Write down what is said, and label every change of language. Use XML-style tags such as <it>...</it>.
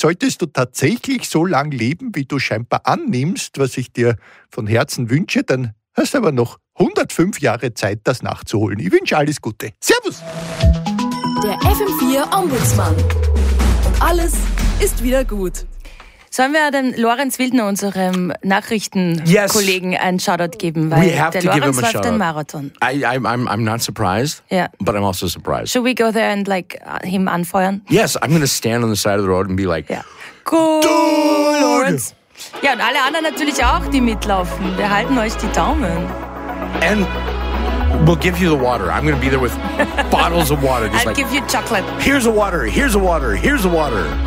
<de>Solltest du tatsächlich so lang leben, wie du scheinbar annimmst, was ich dir von Herzen wünsche, dann hast du aber noch 105 Jahre Zeit, das nachzuholen. Ich wünsche alles Gute. Servus! Der FM4-Ombudsmann. Alles ist wieder gut. Sollen wir dann Lorenz Wildner, unserem Nachrichtenkollegen, einen Shoutout geben? Weil der Lorenz läuft den Marathon.</de> <en>I'm not surprised, yeah, but I'm also surprised. Should we go there and like him</en> <de>anfeuern?</de> <en>Yes, I'm going to stand on the side of the road and be like, yeah. Cool, Lorenz.</en> <de>Ja, und alle anderen natürlich auch, die mitlaufen. Wir halten euch die Daumen.</de> <en>And we'll give you the water. I'm going to be there with bottles of water. Just I'll like, give you chocolate. Here's the water, here's the water, here's the water.</en>